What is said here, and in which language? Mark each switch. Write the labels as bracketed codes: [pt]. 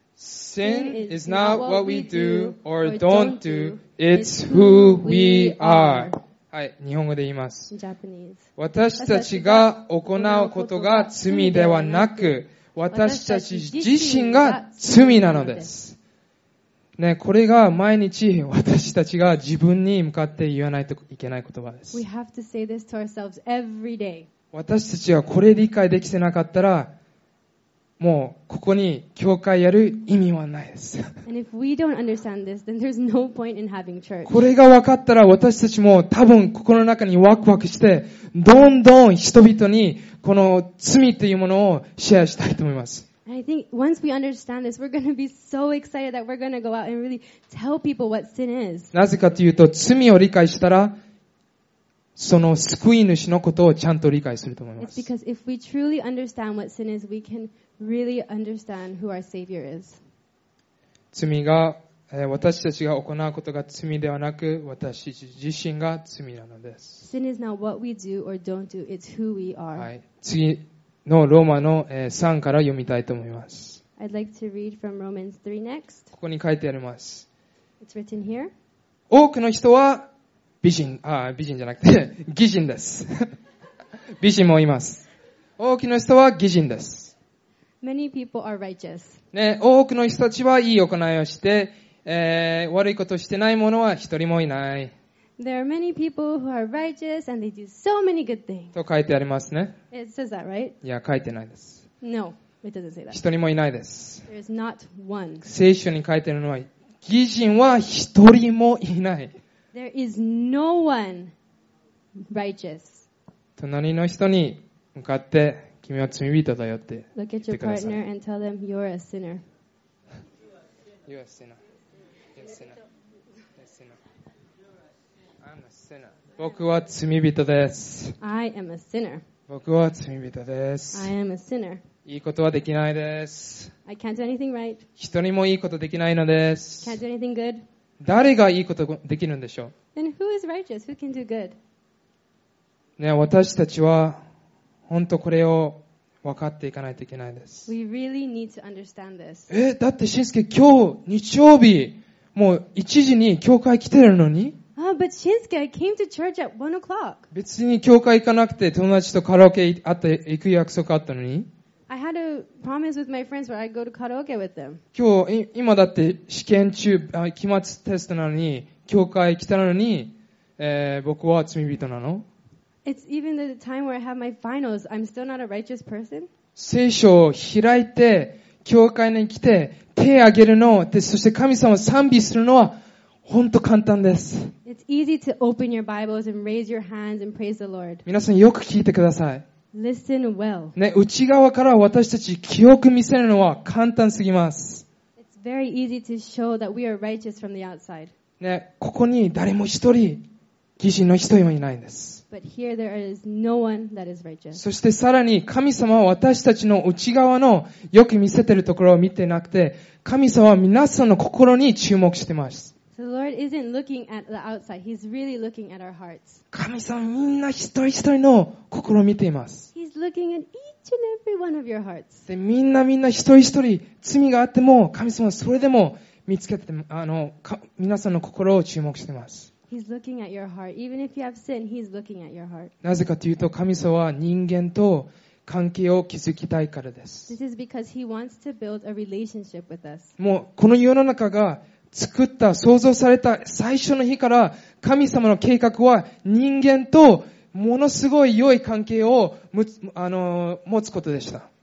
[en] Sin is not what we do or don't do, it's who we are. [ja] はい、日本語で言います。私たちが行うことが罪ではなく、私たち自身が罪なのです。ね、これが毎日私たちが自分に向かって言わないといけない言葉です。 [en] We have to say this to ourselves every day. [ja] 私たちはこれ理解できてなかったら、もうここに教会やる意味はないです。 [en] And if we don't understand this, then there's no point in having church. [ja] これが分かったら私たちも多分心の中にワクワクしてどんどん人々にこの罪というものをシェアしたいと思います。 [en] I think once we understand this, we're going to be so excited that we're going to go out and really tell people what sin is. [ja] なぜかというと、罪を理解したら、その救い主のことをちゃんと理解すると思います。 [en] It's because if we truly understand what sin is, we can really understand who our Savior is. [ja] 罪が、私たちが行うことが罪ではなく、私自身が罪なのです。 [en] Sin is not what we do or don't do, it's who we are. [ja] はい。次のローマの3から読みたいと思います。 [en] I'd like to read from Romans 3 next. [ja] ここに書いてあります。 [en] It's written here. [ja] 多くの人は美人じゃなくて、義人です。美人もいます。多くの人は義人です。 [en] Many people are righteous. [ja] ね、多くの人たちはいい行いをして、悪いことをしてない者は一人もいない。 [en] There are many people who are righteous and they do so many good things. [ja] と書いてありますね。 [en] It says that, right? [ja] いや、書いてないです。 [en] No, it doesn't say that. [ja] 一人もいないです。 [en] There is not one. [ja] 聖書に書いてるのは、義人は一人もいない。 [en] There is no one righteous. [ja] 隣の人に向かって、君は罪人だよって言ってください。 [en] Look at your partner and tell them you're a sinner. You're a sinner. You're a sinner. You're a sinner. I'm a sinner. [ja] 僕は罪人です。 [en] I am a sinner. [ja] 僕は罪人です。 [en] I am a sinner. [ja] いいことはできないです。 [en] I can't do anything right. [ja] 人にもいいことできないのです。 [en] Can't do anything good. [ja] 誰がいいことできるんでしょう。 [en] Then who is righteous? Who can do good? [ja] ね、私たちは本当これを分かっていかないといけないです。 [en] We really need to understand this. [ja] え、だってしんすけ今日日曜日もう1時に教会来てるのに。 [en] Oh, but Shinsuke, I came to church at 1 o'clock. [ja] 別に教会行かなくて友達とカラオケ行く約束あったのに。 [en] I had a promise with my friends where I'd go to karaoke with them. [ja] 今日今だって試験中期末テストなのに教会来たのに、僕は罪人なの？ [en] It's even the time where I have my finals. I'm still not a righteous person. [ja] 聖書を開いて教会に来て手を挙げるのでそして神様を賛美するのは本当簡単です。 [en] It's easy to open your Bibles and raise your hands and praise the Lord. [ja] 皆さんよく聞いてください。 [en] Listen well. [ja] ね、内側から私たち清く見せるのは簡単すぎます。 [en] It's very easy to show that we are righteous from the outside. [ja] ね、ここに誰も一人、義人の一人もいないんです。 [en] But here there is no one that is righteous. [ja] そしてさらに神様は私たちの内側のよく見せてるところを見てなくて、神様は皆さんの心に注目してます。 [en] The Lord isn't looking at the outside. He's really looking at our hearts. [ja] 神様みんな一人一人の心を見ています。 [en] He's looking at each and every one of your hearts. [ja] で、みんな一人一人罪があっても、神様はそれでも見つけて、皆さんの心を注目しています。 [en] He's looking at your heart. Even if you have sin, he's looking at your heart. [ja] なぜかというと、神様は人間と関係を築きたいからです。 [en] This is because he wants to build a relationship with us. [ja] もう、この世の中が作った、創造された最初の日から神様の計画は人間とものすごい良い関係を持つことでした。